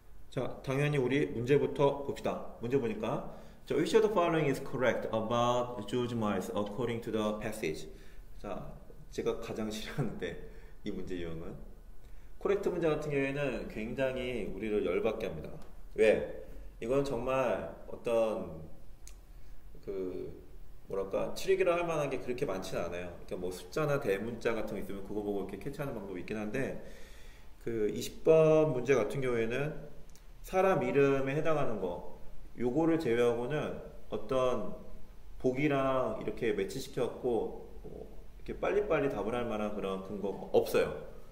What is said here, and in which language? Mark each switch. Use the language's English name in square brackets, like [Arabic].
[Korean] 자, 당연히 우리 문제부터 봅시다. 문제 보니까, [English] so which of the following is correct about George Miles according to the passage? [Korean] 자, 제가 가장 싫어하는데 이 문제 유형은 코렉트 문제 같은 경우에는 굉장히 우리를 열받게 합니다. 왜? 이건 정말 어떤 뭐랄까 트릭이라 할 만한 게 그렇게 많진 않아요. 그러니까 뭐 숫자나 대문자 같은 거 있으면 그거 보고 이렇게 캐치하는 방법이 있긴 한데 그 20번 문제 같은 경우에는 사람 이름에 해당하는 거, 요거를 제외하고는 어떤 복이랑 이렇게 매치시켜갖고 이렇게 빨리빨리 답을 할 만한 그런 근거 없어요.